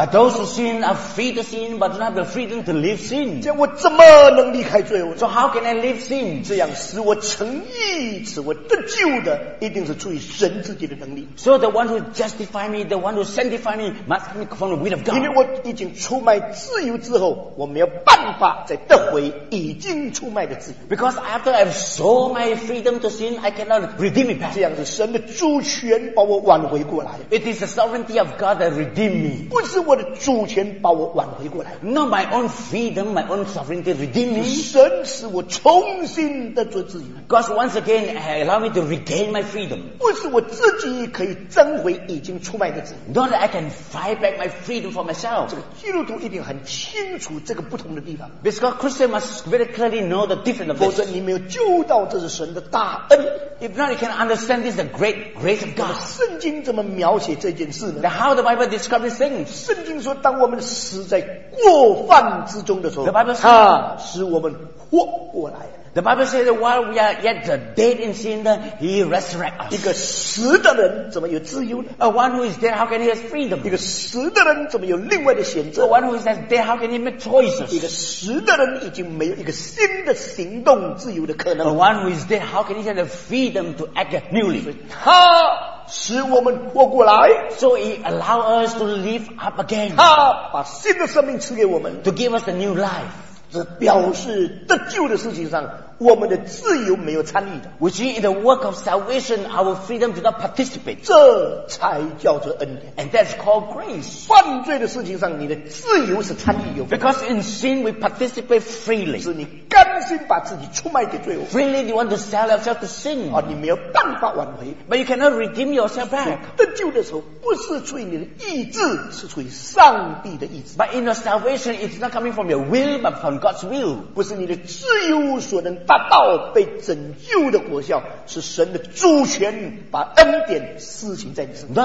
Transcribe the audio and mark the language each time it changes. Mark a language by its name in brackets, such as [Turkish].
[English] but those who sin are free to sin but not the freedom to live sin [Chinese] 这样我怎么能离开罪恶 [English] so how can I live sin [Chinese] 这样使我成义使我得救的一定是出于神自己的能力 [English] so the one who justify me the one who sanctify me must come from the will of God [Chinese] 因为我已经出卖自由之后我没有办法再得回已经出卖的自由 [English] because after I've sold my freedom to sin I cannot redeem it back [Chinese] 这样是神的主权把我挽回过来 [English] it is the sovereignty of God that redeem me [Chinese] 不是我的主权把我挽回过来 [English] not my own freedom my own sovereignty redeem me [Chinese] 神使我重新得着自由 [English] God once again allow me to regain my freedom [Chinese] 不是我自己可以争回已经出卖的自由 [English] not that I can fight back my freedom for myself [Chinese] 这个基督徒一定很清楚这个不同的地方 [English] because Christian must very clearly know the difference of this [Chinese] 否则你没有救到这是神的大恩 [English] if not you can understand this is the great grace of God [Chinese] 圣经怎么描写这件事呢 [English] now how the Bible describes things [Chinese] 圣经说当我们死在过犯之中的时候 [English] the Bible says, [Chinese] 他使我们活过来 [English] the Bible says that while we are yet dead in sin he resurrects us [Chinese] 一个死的人怎么有自由呢 [English] a one who is dead how can he have freedom [Chinese] 一个死的人怎么有另外的选择 [English] a one who is dead how can he make choices [Chinese] 一个死的人已经没有一个新的行动自由的可能 [English] a one who is dead how can he have the freedom to act newly [Chinese] 他使我们活过来 [English] so he allow us to live up again [Chinese] 他把新的生命赐给我们 [English] to give us a new life [Chinese] 这表示得救的事情上我们的自由没有参与的 [English] which is in the work of salvation our freedom do not participate [Chinese] 这才叫做恩典 [English] and that's called grace [Chinese] 犯罪的事情上你的自由是参与有 [English] because in sin we participate freely [Chinese] 是你甘心把自己出卖给罪恶。 [English] Freely you want to sell yourself to sin. [Chinese] 啊，你没有办法挽回。 [English] But you cannot redeem yourself back. [Chinese] 得救的时候不是出于你的意志，是出于上帝的意志。 [English] But in your salvation, it's not coming from your will, but from God's will. [Chinese] 不是你的自由所能达到被拯救的果效，是神的主权把恩典施行在你身上。